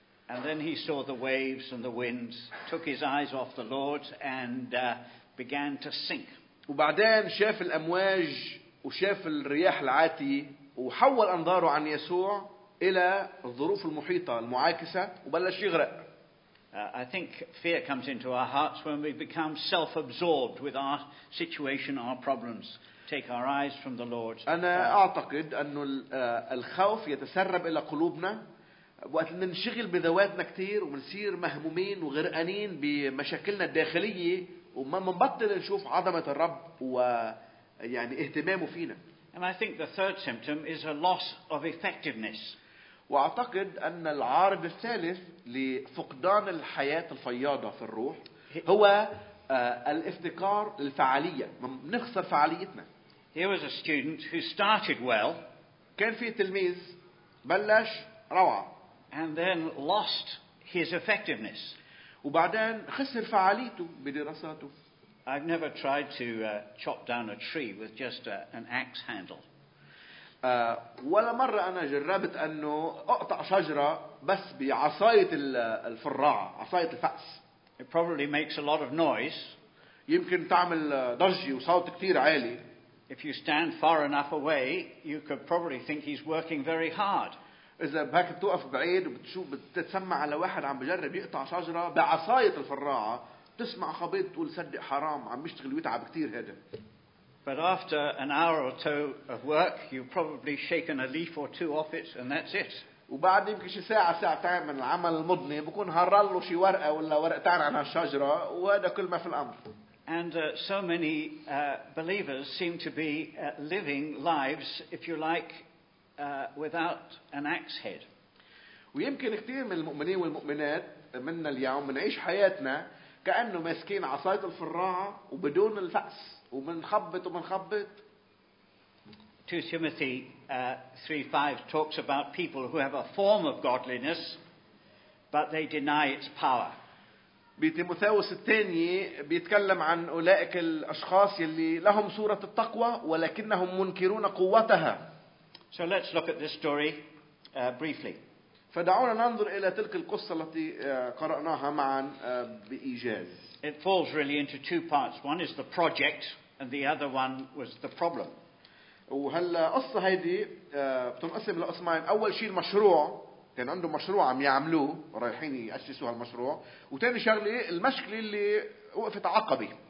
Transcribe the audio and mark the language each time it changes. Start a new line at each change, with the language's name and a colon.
English: And then he saw the waves and the winds, took his eyes off the Lord, and began to sink.
Arabic: وبعدين شاف الأمواج وشاف الرياح العاتية وحول أنظاره عن يسوع إلى الظروف المحيطة المعاكسة وبلش يغرق.
English: I think fear comes into our hearts when we become self-absorbed with our situation, our problems. Take our eyes from the Lord.
Arabic: أنا أعتقد أنه الخوف يتسرب إلى قلوبنا وقت ننشغل بذواتنا كتير ونصير مهمومين وغرقانين بمشاكلنا الداخلية وما منبطل نشوف عظمة الرب ويعني اهتمامه فينا.
English: And I think the third symptom is a loss of effectiveness.
Arabic: وأعتقد أن العارض الثالث لفقدان الحياة الفياضة في الروح هو الافتقار للفعالية. نخسر فعاليتنا.
English: He was a student who started well.
Arabic: كان في تلميذ بلش روعة.
English: And then lost his effectiveness.
Arabic: وبعدين خسر فعاليته بدراساته.
English: I've never tried to chop down a tree with just an axe handle.
Arabic: ولا مرة أنا جربت أنه أقطع شجرة بس بعصاية الفراعة, عصاية الفأس.
English: It probably makes a lot of noise.
Arabic: يمكن تعمل ضجة وصوت كتير عالي.
English: If you stand far enough away, you could probably think he's working very hard.
Arabic: إذا بهك بتوقف بعيد وبتشوف بتتسمع على واحد عم بجرب يقطع شجرة بعصاية الفراعة, تسمع خبيط تقول صدق حرام عم يشتغل ويتعب كتير هذا.
English: But after an hour or two of work, you've probably shaken a leaf or two off it, and that's it.
Arabic: وبعد يمكن شي ساعة ساعتين من العمل المضني بكون هرله شي ورقة ولا ورقتين عن الشجرة وهذا كل ما في الأمر.
English: And so many believers seem to be living lives, if you like, without an axe head.
Arabic: ويمكن كثير من المؤمنين والمؤمنات منا اليوم بنعيش حياتنا كأنه مسكين عصاية الفراعة وبدون الفأس ومنخبط ومنخبط.
English: 2 Timothy 3:5 talks about people who have a form of godliness but they deny its power.
Arabic: بتيموثاوس الثاني بيتكلم عن أولئك الأشخاص اللي لهم صورة التقوى ولكنهم منكرون قوتها.
English: So let's look at this story briefly.
Arabic: فدعونا ننظر إلى تلك القصة التي قرأناها معا بإيجاز.
English: It falls really into two parts. One is the project and the other one was the problem.
Arabic: وهلا قصة هذه بتنقسم لقسمين. أول شيء المشروع، كان عنده مشروع عم يعملوه ورايحين يأسسوا هالمشروع، وتاني شغلة المشكلة اللي وقفت عقبي.